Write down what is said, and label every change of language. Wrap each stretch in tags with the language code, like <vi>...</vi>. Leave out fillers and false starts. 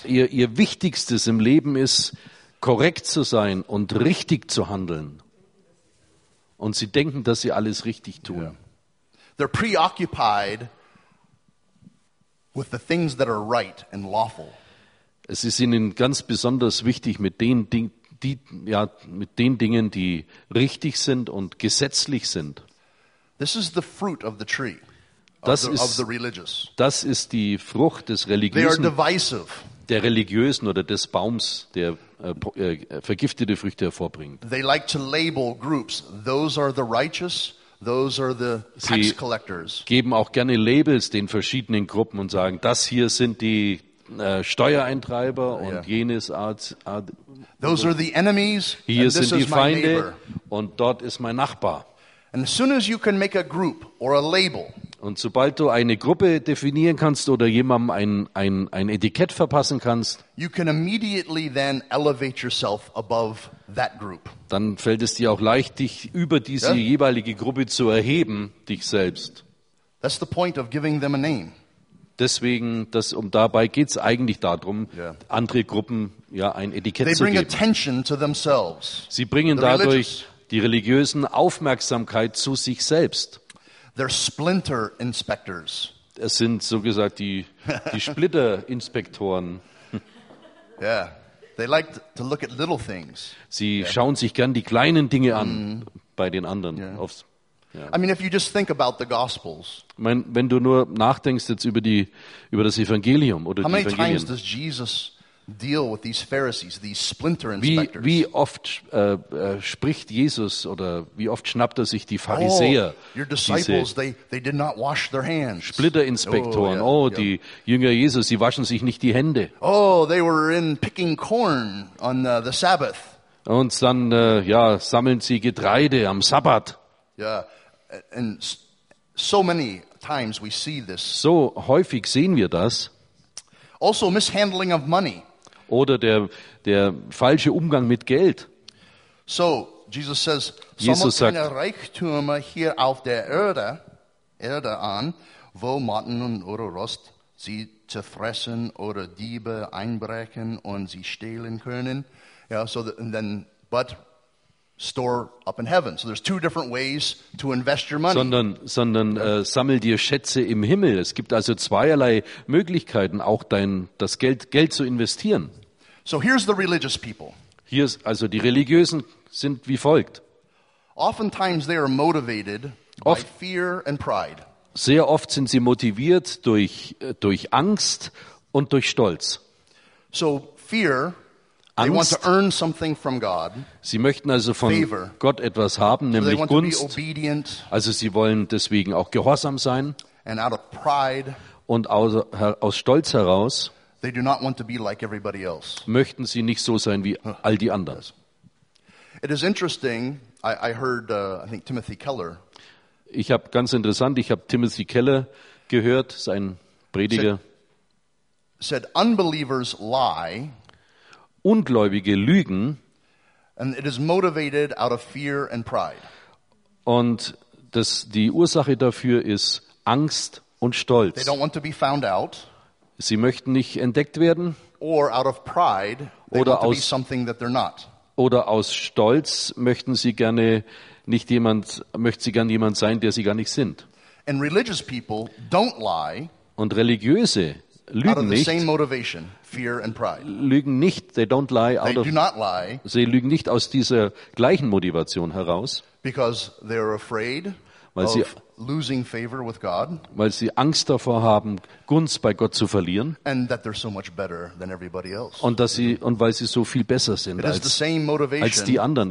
<de>Ihr Wichtigstes im Leben ist, korrekt zu sein und richtig zu handeln. Und sie denken, dass sie alles richtig tun.</de> <en>Yeah. They're preoccupied with the things that are right and lawful.</en> <de>Es ist ihnen ganz besonders wichtig mit den Dingen, die richtig sind und gesetzlich sind.</de> <en>This is the fruit of the tree of the religious.</en> <de>Das ist die Frucht des Religiösen.</de> <en>They are divisive.</en> <de>Der Religiösen oder des Baums, der vergiftete Früchte hervorbringt.</de> <en>They like to label groups. Those are the righteous, those are the tax collectors.</en> <de>Sie geben auch gerne Labels den verschiedenen Gruppen und sagen, das hier sind die Steuereintreiber und jenes Art.</de> <en>Those are the enemies,</en> <de>hier sind die Feinde und dort ist mein Nachbar.</de> <en>And as soon as you can make a group or a label,</en> <de>und sobald du eine Gruppe definieren kannst oder jemandem ein Etikett verpassen kannst,</de> <en>you can immediately then elevate yourself above that group.</en> <de>Dann fällt es dir auch leicht, dich über diese jeweilige Gruppe zu erheben, dich selbst.</de> <en>That's the point of giving them a name.</en> <de>Deswegen, dabei geht es eigentlich darum, andere Gruppen ein Etikett</de> <en>they</en> <de>zu geben.</de> <en>Attention to themselves,</en> <de>sie bringen the dadurch religious. Die Religiösen Aufmerksamkeit zu sich selbst.</de> <en>They're splinter inspectors.</en> <de>Es sind so gesagt die Splitterinspektoren.</de> <en>Yeah, they like to look at little things.</en> <de>Sie schauen sich gern die kleinen Dinge an bei den anderen.</de> <en>I mean, if you just think about the Gospels.</en> <de>Wenn du nur nachdenkst jetzt über das Evangelium oder die Evangelien.</de> <en>How many times does Jesus deal with these Pharisees, these splinter inspectors?</en> <de>Wie oft spricht Jesus oder wie oft schnappt er sich die Pharisäer?</de> <en>Oh, your disciples, they did not wash their hands.</en> <de>Splitterinspektoren. Die Jünger Jesus, sie waschen sich nicht die Hände.</de> <en>Oh, they were in picking corn on the Sabbath.</en> <de>Und dann sammeln sie Getreide am Sabbat.</de> <en>Yeah, and so many times we see this.</en> <de>So häufig sehen wir das.</de> <en>Also mishandling of money.</en> <de>Oder der falsche Umgang mit Geld.</de> <en>So Jesus says,</en> <de>Jesus sagt, Reichtum hier auf der Erde an, wo Motten und oder Rost sie zu fressen oder Diebe einbrechen und sie stehlen können.</de> <en>Yeah, so that, and then but store up in heaven. So there's two different ways to invest your money.</en> <de>Sondern sammel dir Schätze im Himmel. Es gibt also zweierlei Möglichkeiten, auch das Geld zu investieren.</de> <en>So here's the religious people.</en> <de>Hier ist also die Religiösen sind wie folgt.</de> <en>Oftentimes they are motivated by fear and pride.</en> <de>Sehr oft sind sie motiviert durch Angst und durch Stolz.</de> <en>So fear.</en> <de>Angst.</de> <en>They want to earn something from God.</en> <de>Sie möchten also von</de> <en>favor.</en> <de>Gott etwas haben, nämlich</de> <en>so they want</en> <de>Gunst.</de> <en>To be obedient.</en> <de>Also sie wollen deswegen auch gehorsam sein.</de> <en>And out of pride.</en> <de>Und aus Stolz heraus</de> <en>they do not want to be like everybody else.</en> <de>Möchten sie nicht so sein wie all die anderen.</de> <en>Yes. It is interesting. I heard, I think Timothy Keller.</en> <de>Ich habe ganz interessant. Ich habe Timothy Keller gehört, sein Prediger.</de> <en>Said unbelievers lie.</en> <de>Ungläubige lügen</de> <en>And it is motivated out of fear and pride.</en> <de>Und das, die Ursache dafür ist Angst und Stolz.</de> <en>They don't want to be found out.</en> <de>Sie möchten nicht entdeckt werden.</de> <en>Or out of pride,</en> <de>oder aus,</de> <en>be something that they're not.</en> <de>Oder aus Stolz möchten sie gerne nicht jemand, möchten sie gerne jemand sein, der sie gar nicht sind.</de> <en>And religious people don't lie.</en> <de>Und Religiöse lügen nicht.</de> <en>Out of the same motivation, fear and pride.</en> <de>Lügen nicht.</de> <en>They don't lie out they of, do not lie.</en> <de>Sie lügen nicht aus dieser gleichen Motivation heraus.</de> <en>Because they're afraid.</en> <de>Weil sie,</de> <en>of losing favor with God,</en> <de>weil sie Angst davor haben, Gunst bei Gott zu verlieren,</de> <en>and that they're so much better than everybody else.</en> <de>Und dass sie und weil sie so viel besser sind als die anderen.</de>